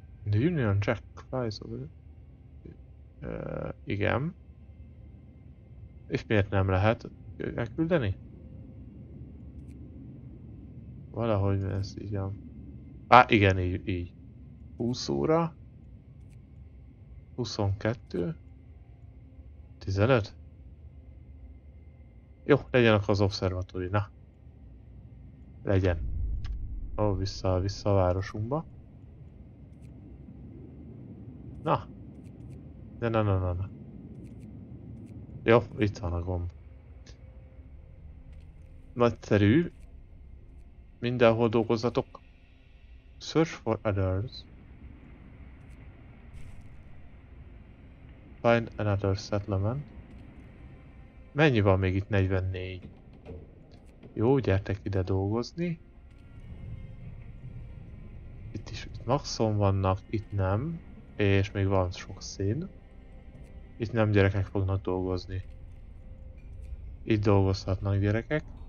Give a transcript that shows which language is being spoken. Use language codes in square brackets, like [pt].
[en] The Union Jack flies over. [hu] Igen. És miért nem lehet elküldeni? Valahogy ez így van. Á, igen, így, így. 20 óra. 22. 15. Jó, legyen akkor az observatóri. Na. Legyen. Ó, vissza, vissza a városunkba. Na. Ne, ne, ne, ne, ne. Jó, itt van a gomb. Nagyszerű. Mindenhol dolgozzatok. [en] Search for others. Find another settlement. [hu] Mennyi van még itt? 44. Jó, gyertek ide dolgozni. Itt is itt maxon vannak, itt nem. És még van sok szín. Itt nem gyerekek fognak dolgozni. Itt dolgozhatnak gyerekek.